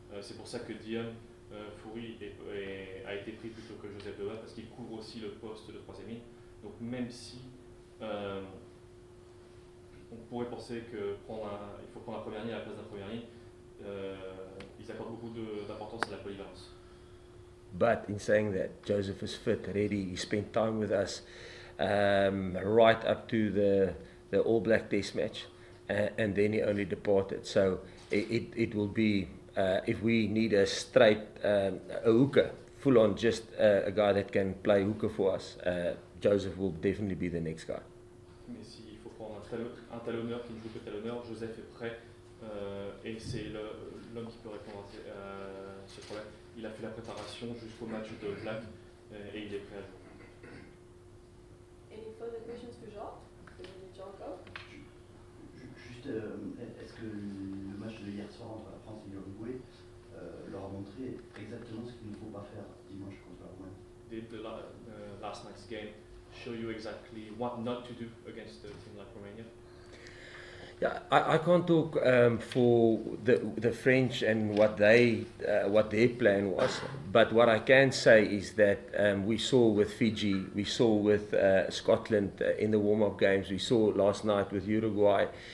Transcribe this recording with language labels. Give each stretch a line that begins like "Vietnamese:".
French: C'est pour ça que Dion Fourie a été pris plutôt que Joseph Deva parce qu'il couvre aussi le poste de troisième ligne. Donc, même si on pourrait penser qu'il faut prendre un premier ligne à la place d'un premier ligne, ils accordent beaucoup d'importance à la polyvalence.
English: But in saying that, Joseph is fit, ready. He spent time with us right up to the All Black Test match, and then he only departed. So it will be, if we need a straight a hooker, full on, just a guy that can play hooker for us, Joseph will definitely be the next guy.
French: Mais si il faut prendre un talonneur qui ne joue que talonneur, Joseph est prêt, et c'est l'homme qui peut répondre à ce problème. Il a fait la préparation jusqu'au match de Black et il est prêt à jouer.
English: Any further questions for Jacques?
French: Juste, est-ce que le match de hier soir entre la France et l'Uruguay leur a montré exactement ce qu'il ne faut pas faire dimanche contre la Roumanie?
English: Did the last night's game show you exactly what not to do against a team like Romania? I can't talk for the French and what their plan was, but what I can say is that we saw with Fiji, we saw with Scotland in the warm-up games, we saw last night with Uruguay.